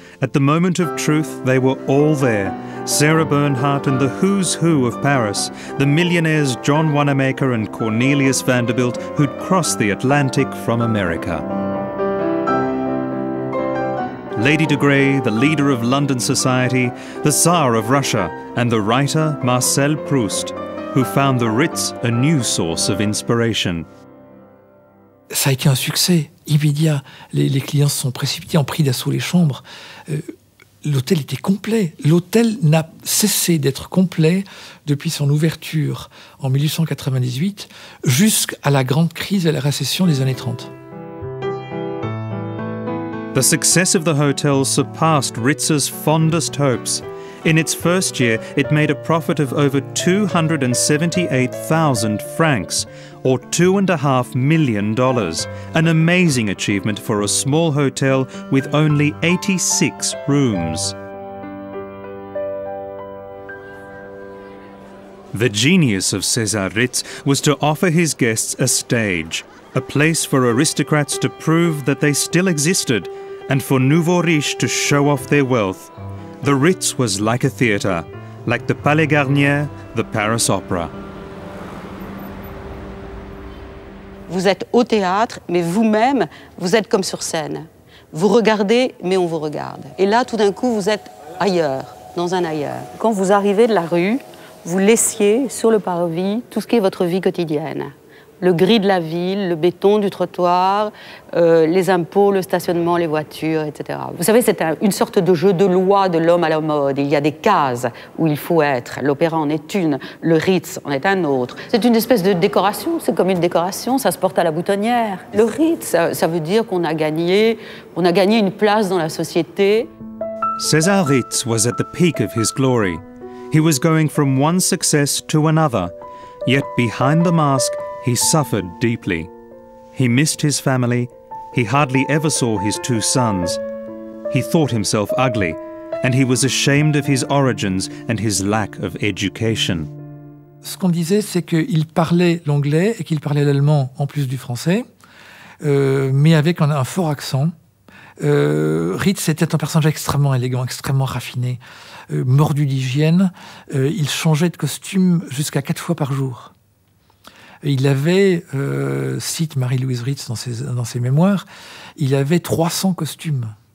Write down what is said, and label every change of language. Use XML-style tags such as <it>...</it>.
<en>At the moment of truth, they were all there. Sarah Bernhardt and the who's who of Paris, the millionaires John Wanamaker and Cornelius Vanderbilt, who'd crossed the Atlantic from America. Lady de Grey, the leader of London society, the Tsar of Russia, and the writer Marcel Proust, who found the Ritz a new source of inspiration.</en> <fr>Ça a été un succès. Immédiat, les clients sont précipités, ont pris d'assaut les chambres. L'hôtel était complet. L'hôtel n'a cessé d'être complet depuis son ouverture en 1898 jusqu'à la grande crise et la récession des années 30.</fr> <en>The success of the hotel surpassed Ritz's fondest hopes. In its first year, it made a profit of over 278,000 francs, or $2.5 million, an amazing achievement for a small hotel with only 86 rooms. The genius of César Ritz was to offer his guests a stage, a place for aristocrats to prove that they still existed, and for nouveau riche to show off their wealth. The Ritz was like a theatre, like the Palais Garnier, the Paris Opera.</en> <fr>Vous êtes au théâtre, mais vous-même, vous êtes comme sur scène. Vous regardez, mais on vous regarde. Et là, tout d'un coup, vous êtes ailleurs, dans un ailleurs. Quand vous arrivez de la rue, vous laissiez sur le parvis tout ce qui est votre vie quotidienne. Le gris de la ville, le béton du trottoir, les impôts, le stationnement, les voitures, etc. Vous savez, c'est une sorte de jeu de loi de l'homme à la mode. Il y a des cases où il faut être. L'opéra en est une, le Ritz en est un autre. C'est une espèce de décoration, c'est comme une décoration, ça se porte à la boutonnière. Le Ritz, ça veut dire qu'on a gagné, une place dans la société.</fr> <en>César Ritz was at the peak of his glory. He was going from one success to another. Yet behind the mask, he suffered deeply. He missed his family. He hardly ever saw his two sons. He thought himself ugly, and he was ashamed of his origins and his lack of education.</en> <fr>Ce qu'on disait, c'est qu'il parlait l'anglais et qu'il parlait l'allemand en plus du français, mais avec un fort accent. Ritz était un personnage extrêmement élégant, extrêmement raffiné, mordu d'hygiène. Il changeait de costume jusqu'à 4 fois par jour. Il avait, cite Marie-Louise Ritz dans ses mémoires, il avait 300 costumes.</fr>